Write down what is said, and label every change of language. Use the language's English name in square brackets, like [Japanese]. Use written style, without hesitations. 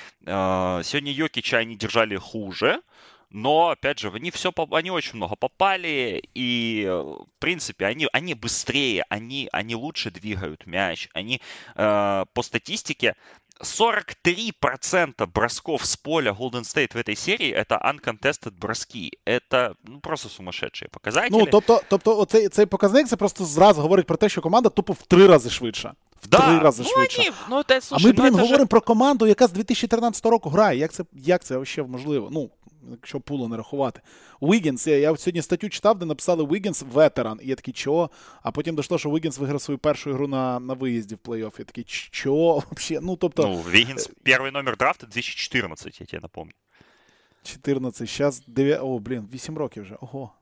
[Russian] Сегодня Йокича они держали хуже, но, опять же, они очень много попали, и, в принципе, они быстрее, они лучше двигают мяч, они по статистике... 43% бросков с поля Golden State в этой серии — это uncontested броски. Это, ну, просто сумасшедшие показатели. [Ukrainian] Ну, тобто цей показник, це просто зразу говорить про те, що команда тупо в 3 рази швидша. В [Russian] да. [Ukrainian] 3 рази ну, швидша. Ні. Ну, та, слушай, а ми, блін, ну, говоримо же... про команду, яка з 2013 року грає. Як це вообще можливо? Ну, якщо пулу не рахувати. Wiggins, я сьогодні статтю читав, де написали Wiggins – ветеран. І я такий, чого? А потім дійшло, що Wiggins виграв свою першу гру на виїзді в плей-офф. Я такий, чого вообще? Ну, тобто... ну, Wiggins – перший номер драфту 2014, я тебе напомню. 14, зараз 9... О, блін, 8 років вже. Ого.